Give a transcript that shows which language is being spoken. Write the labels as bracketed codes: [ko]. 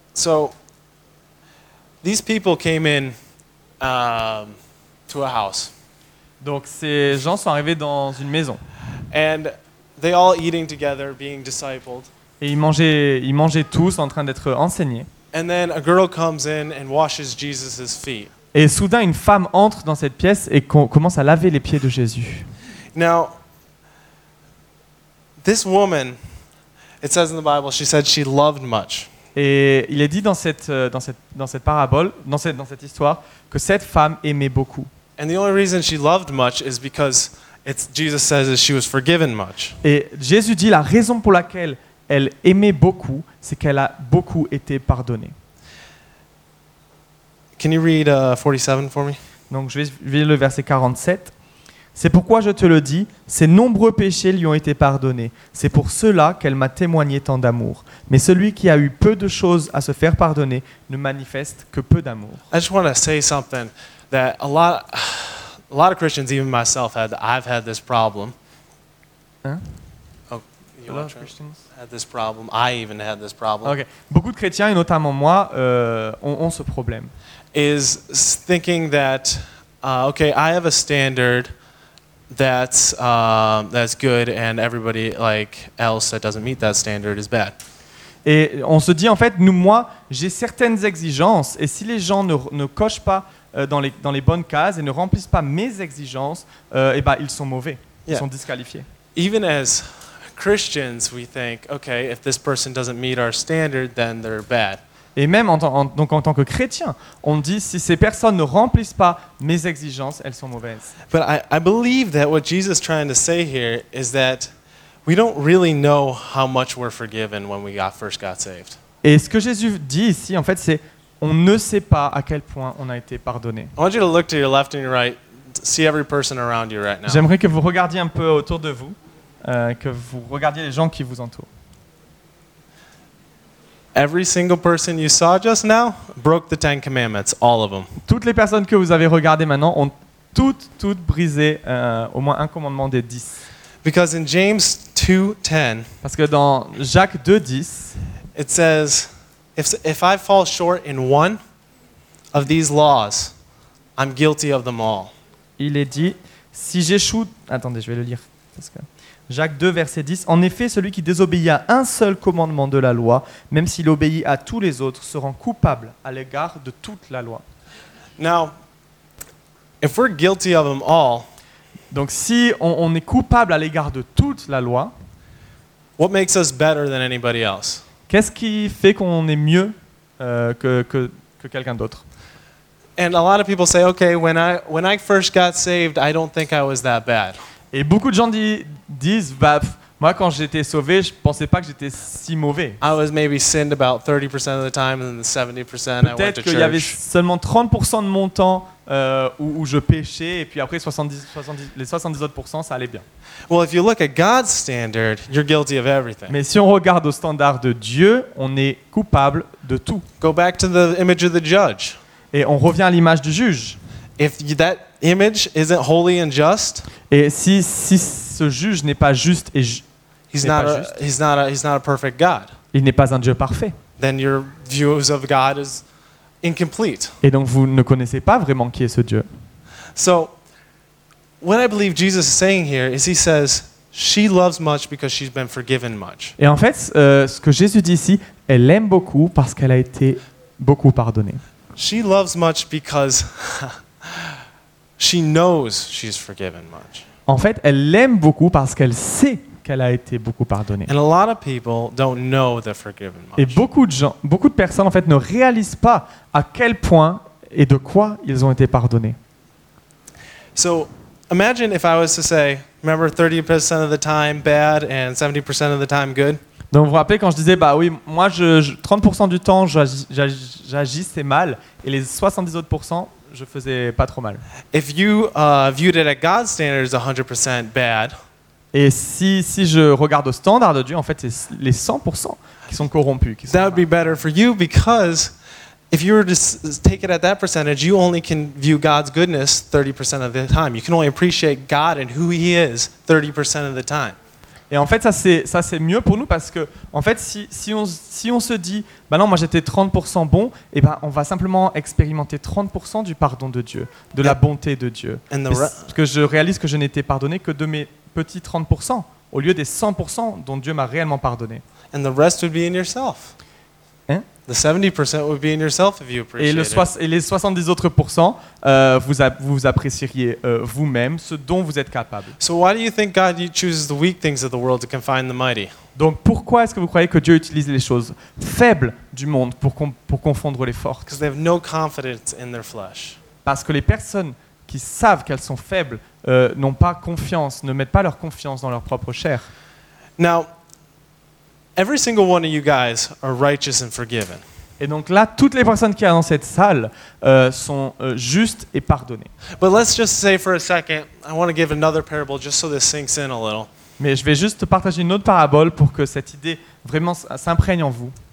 [en] So these people came in to a house. [fr] Donc ces gens sont arrivés dans une maison. [en] And they all eating together being discipled. [fr] Et ils mangeaient tous en train d'être enseignés. [en] And then a girl comes in and washes Jesus's feet. [fr] Et soudain une femme entre dans cette pièce et commence à laver les pieds de Jésus. [en] Now, this woman, it says in the Bible, she said she loved much. [fr] Et il est dit dans cette parabole, dans cette histoire, que cette femme aimait beaucoup. [en] And the only reason she loved much is because Jesus says that she was forgiven much. [fr] Et Jésus dit la raison pour laquelle elle aimait beaucoup, c'est qu'elle a beaucoup été pardonnée. [en] Can you read 47 for me? [fr] Donc je vais lire le verset 47. C'est pourquoi je te le dis, ses nombreux péchés lui ont été pardonnés. C'est pour cela qu'elle m'a témoigné tant d'amour. Mais celui qui a eu peu de choses à se faire pardonner ne manifeste que peu d'amour. [en] I just want to say something that a lot of Christians, even myself, I've had this problem. Hein? A lot of Christians had this problem. I even had this problem. Okay. [fr] Beaucoup de chrétiens et notamment moi ont ce problème. [en] Is thinking that okay, I have a standard that's good and everybody like else that doesn't meet that standard is bad. [fr] Et on se dit en fait, nous moi, j'ai certaines exigences et si les gens ne cochent pas dans les bonnes cases et ne remplissent pas mes exigences, et ben ils sont mauvais, ils sont disqualifiés. [en] Even as Christians, we think, okay, if this person doesn't meet our standard, then they're bad. [fr] Et même en tant que chrétien, on dit si ces personnes ne remplissent pas mes exigences, elles sont mauvaises. [en] But I believe that what Jesus is trying to say here is that we don't really know how much we're forgiven when we first got saved. [fr] Et ce que Jésus dit ici, en fait, c'est on ne sait pas à quel point on a été pardonné. [en] I want you to look to your left and your right, see every person around you right now. [fr] J'aimerais que vous regardiez un peu autour de vous, que vous regardiez les gens qui vous entourent. [en] Every single person you saw just now broke the Ten Commandments, all of them. [fr] Toutes les personnes que vous avez regardées maintenant ont toutes brisé au moins un commandement des 10. [en] Because in James 2:10, [fr] parce que dans Jacques 2:10, [en] it says if I fall short in one of these laws, I'm guilty of them all. [fr] Il est dit si j'échoue, attendez, je vais le lire parce que Jacques 2, verset 10. En effet, celui qui désobéit à un seul commandement de la loi, même s'il obéit à tous les autres, se rend coupable à l'égard de toute la loi. [en] Now, if we're guilty of them all, [fr] donc si on est coupable à l'égard de toute la loi, [en] what makes us better than anybody else? [fr] Qu'est-ce qui fait qu'on est mieux que quelqu'un d'autre? [en] And a lot of people say, okay, when I first got saved, I don't think I was that bad. [fr] Et beaucoup de gens disent, bah, moi quand j'étais sauvé, je ne pensais pas que j'étais si mauvais. [en] I was maybe sinned about 30% of the time, and then the 70% [fr] peut-être [en] I went to [fr] qu'il y avait seulement 30% de mon temps où je péchais, et puis après 70 autres pour cent, ça allait bien. [en] Well, if you look at God's standard, you're guilty of everything. [fr] Mais si on regarde au standard de Dieu, on est coupable de tout. [en] Go back to the image of the judge. [fr] Et on revient à l'image du juge. [en] If that image isn't holy and just, [fr] et si ce juge n'est pas juste et [en] he's not a perfect God. [fr] Il n'est pas un Dieu parfait. [en] Then your views of God is incomplete. [fr] Et donc vous ne connaissez pas vraiment qui est ce Dieu. [en] So what I believe Jesus is saying here is he says she loves much because she's been forgiven much. [fr] Et en fait, ce que Jésus dit ici, elle aime beaucoup parce qu'elle a été beaucoup pardonnée. [en] She loves much because she knows she's forgiven much. [fr] En fait, elle l'aime beaucoup parce qu'elle sait qu'elle a été beaucoup pardonnée. [en] And a lot of people don't know they're forgiven much. [fr] Et beaucoup de personnes en fait ne réalisent pas à quel point et de quoi ils ont été pardonnés. [en] So, imagine if I was to say, remember 30% of the time bad and 70% of the time good. [fr] Donc vous vous rappelez quand je disais bah oui, moi je 30% du temps j'agissais mal et les 70% autres je faisais pas trop mal. [en] If you viewed it at God's standard, it's 100% bad. [fr] Et si je regarde au standard de Dieu, en fait, c'est les 100% qui sont corrompus. Qui sont [en] that would be better for you because if you were to take it at that percentage, you only can view God's goodness 30% of the time. You can only appreciate God and who He is 30% of the time. [fr] Et en fait, ça c'est mieux pour nous parce que en fait, si on se dit, ben non, moi j'étais 30% bon, et ben on va simplement expérimenter 30% du pardon de Dieu, de la bonté de Dieu, parce que je réalise que je n'étais pardonné que de mes petits 30% au lieu des 100% dont Dieu m'a réellement pardonné. [en] And the rest would be in yourself. Hein? The 70% would be in yourself if you appreciate it. [fr] Et les 70 autres pour cent, vous apprécieriez vous-même ce dont vous êtes capable. [en] So why do you think God chooses the weak things of the world to confine the mighty? [fr] Donc pourquoi est-ce que vous croyez que Dieu utilise les choses faibles du monde pour confondre les forts? [en] Because they have no confidence in their flesh. [fr] Parce que les personnes qui savent qu'elles sont faibles n'ont pas confiance, ne mettent pas leur confiance dans leur propre chair. [en] Now, every single one of you guys are righteous and forgiven. [fr] Et donc là, toutes les personnes qui sont dans cette salle sont justes et pardonnées. [en] But let's just say for a second, I want to give another parable just so this sinks in a little. [fr] Mais je vais juste partager une autre parabole pour que cette idée vraiment s'imprègne en vous.